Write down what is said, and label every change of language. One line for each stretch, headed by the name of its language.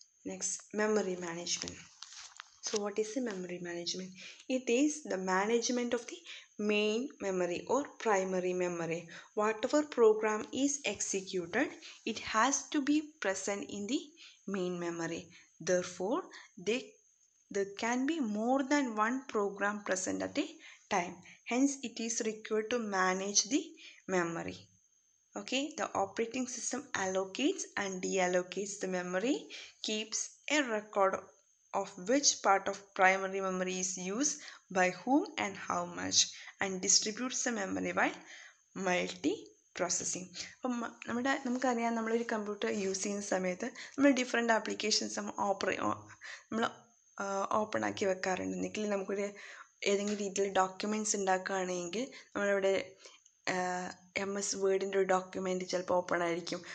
English: Next, memory management. So what is the memory management? It is the management of the main memory or primary memory. Whatever program is executed it has to be present in the main memory. Therefore there can be more than one program present at a time. Hence, it is required to manage the memory. Okay, the operating system allocates and deallocates the memory, keeps a record of which part of primary memory is used by whom and how much, and distributes the memory by multiprocessing.
Malayalam: അപ്പം നമ്മുടെ നമുക്കറിയാം, നമ്മളൊരു computer use ചെയ്യുന്ന സമയത്ത് നമ്മൾ different applications നമ്മൾ open ആക്കി വെക്കാറുണ്ട്. എന്നെങ്കിൽ നമുക്കൊരു ഏതെങ്കിലും രീതിയിൽ ഡോക്യുമെൻറ്റ്സ് ഉണ്ടാക്കുകയാണെങ്കിൽ നമ്മളിവിടെ എം എസ് വേർഡിൻ്റെ ഒരു ഡോക്യുമെൻറ്റ് ചിലപ്പോൾ ഓപ്പൺ ആയിരിക്കും.